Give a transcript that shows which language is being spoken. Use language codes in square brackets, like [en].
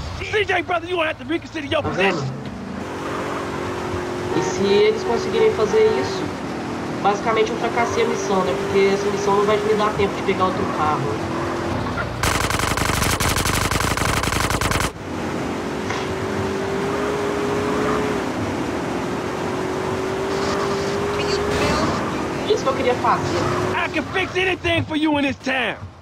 [en] DJ, brother, you have to reconsider your position. [pt] E se eles conseguirem fazer isso, basicamente eu fracassei a missão, né? Porque essa missão não vai me dar tempo de pegar outro carro. Isso que eu queria fazer. [en] I can fix anything for you in this town.